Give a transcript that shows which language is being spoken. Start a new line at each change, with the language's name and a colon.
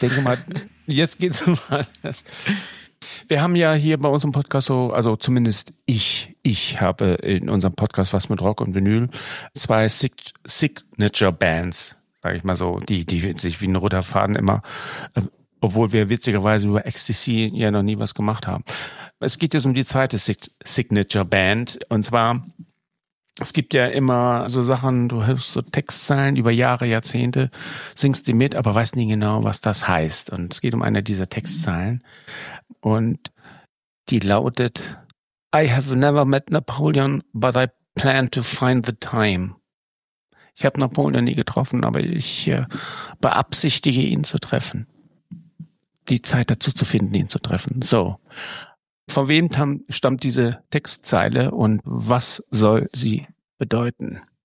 German: Denke mal, jetzt geht's um alles. Wir haben ja hier bei unserem Podcast so, also zumindest ich habe in unserem Podcast was mit Rock und Vinyl, zwei Signature-Bands, sage ich mal so, die sich wie ein roter Faden immer, obwohl wir witzigerweise über Ecstasy ja noch nie was gemacht haben. Es geht jetzt um die zweite Signature-Band und zwar, es gibt ja immer so Sachen, du hörst so Textzeilen über Jahre, Jahrzehnte, singst die mit, aber weißt nie genau, was das heißt. Und es geht um eine dieser Textzeilen. Und die lautet,
English: I have never met Napoleon, but I plan to find the time.
German: Ich habe Napoleon nie getroffen, aber ich beabsichtige, ihn zu treffen. Die Zeit dazu zu finden, ihn zu treffen. So. Von wem stammt diese Textzeile und was soll sie bedeuten?